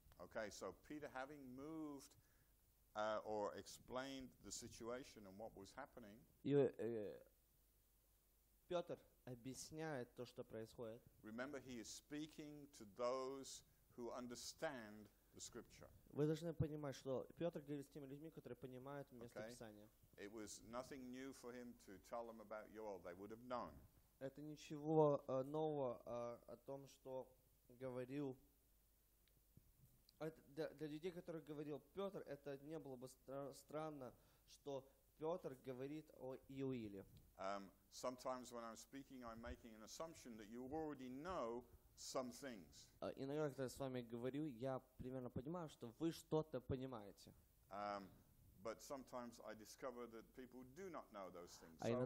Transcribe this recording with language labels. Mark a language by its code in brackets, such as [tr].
[en] Okay, so Peter having moved or explained the situation and what was happening. [ru] Петр объясняет то, что происходит. [en] Remember, he is speaking to those who understand the scripture. [ru] Вы должны понимать, что Петр говорит с теми людьми, которые понимают место Писания. [en] It was nothing new for him to tell them about Joel. They would have known. [ru] Это ничего нового о том, что говорил. Для людей, которые говорил Петр, это не было бы странно, что Петр говорит о Иоиле. [en] Sometimes when I'm speaking, I'm making an assumption that you already know some things. [ru] Иногда, когда я с вами говорю, я примерно понимаю, что вы что-то понимаете. [en] But sometimes I discover that people do not know those things.